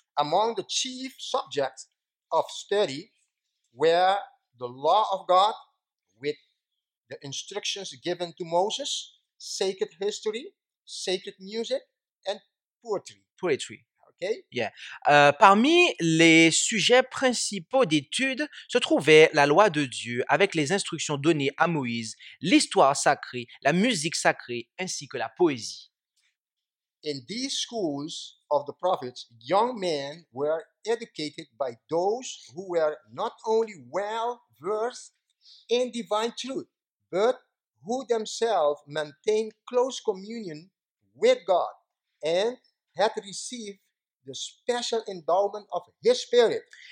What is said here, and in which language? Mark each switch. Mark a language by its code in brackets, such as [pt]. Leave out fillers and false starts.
[en] Among the chief subjects of study were the law of God with the instructions given to Moses, sacred history, sacred music, and poetry. Poetry. Okay? Yeah. [fr] Parmi les sujets principaux d'étude se trouvaient la loi de Dieu avec les instructions données à Moïse, l'histoire sacrée, la musique sacrée, ainsi que la poésie. [en] In these schools of the prophets, young men were educated by those who were not only well versed in divine truth, but who themselves maintained close communion with God and had received the special endowment of His Spirit.